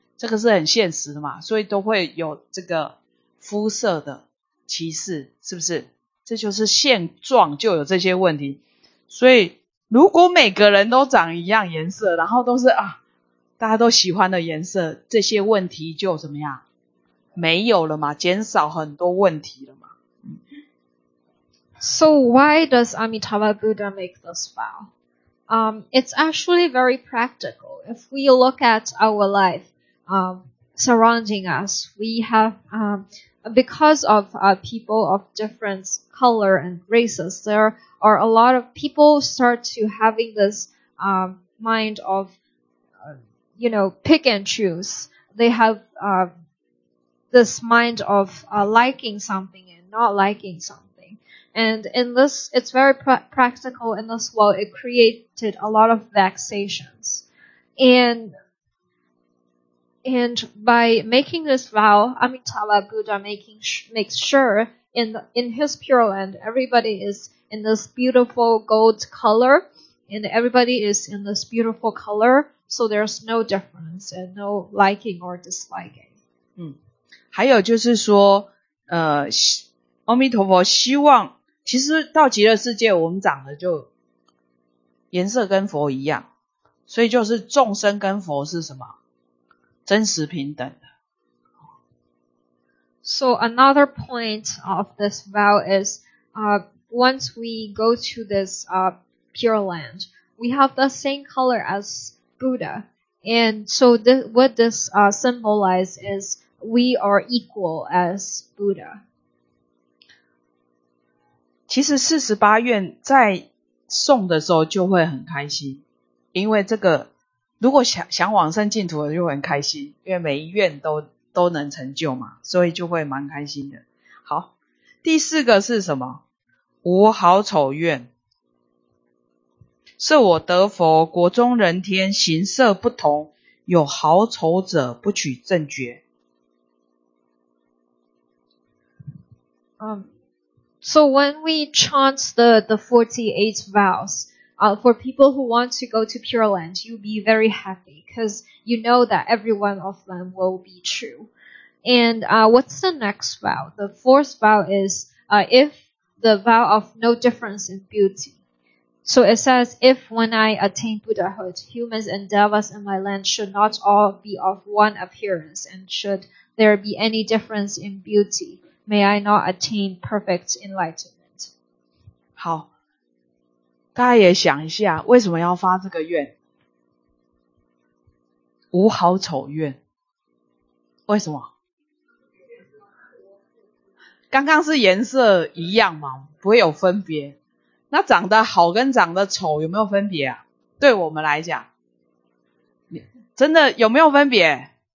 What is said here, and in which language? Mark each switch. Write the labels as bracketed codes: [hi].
[zh] 这个是很现实的嘛，所以都会有这个肤色的歧视，是不是？这就是现状，就有这些问题。所以如果每个人都长一样颜色，然后都是啊，大家都喜欢的颜色，这些问题就怎么样？没有了嘛，减少很多问题了嘛。 [en] So why does Amitabha Buddha make this vow? It's actually very practical. If we look at our life, surrounding us. We have, because of people of different color and races, there are a lot of people start to having this mind of, you know, pick and choose. They have this mind of liking something and not liking something. And in this, it's very practical in this world. It created a lot of vexations. And by making this vow, Amitabha Buddha makes sure in his Pure Land, everybody is in this beautiful gold color, and everybody is in this beautiful color, so there's no difference and no liking or disliking. [zh] 还有就是说，阿弥陀佛希望，其实到极乐世界，我们长得就颜色跟佛一样，所以就是众生跟佛是什么？真实平等的。 [en] So another point of this vow is, once we go to this pure land, we have the same color as Buddha, and so what this symbolizes is we are equal as Buddha. [zh] 其实四十八愿在诵的时候就会很开心，因为这个。如果 想往生净土的就很开心，因为每一愿 都能成就嘛，所以就会蛮开心的。好，第四个是什么？无好丑愿，是我得佛国中人天形色不同，有好丑者不取正觉。 [en] So when we chant the 48 vows,for people who want to go to Pure Land, you'll be very happy because you know that every one of them will be true. And what's the next vow? The fourth vow is if the vow of no difference in beauty. So it says, if when I attain Buddhahood, humans and devas in my land should not all be of one appearance, and should there be any difference in beauty, may I not attain perfect enlightenment. [zh] 好。大家也想一下，为什么要发这个愿？无好丑愿，为什么？刚刚是颜色一样嘛，不会有分别。那长得好跟长得丑有没有分别啊？对我们来讲，真的有没有分别？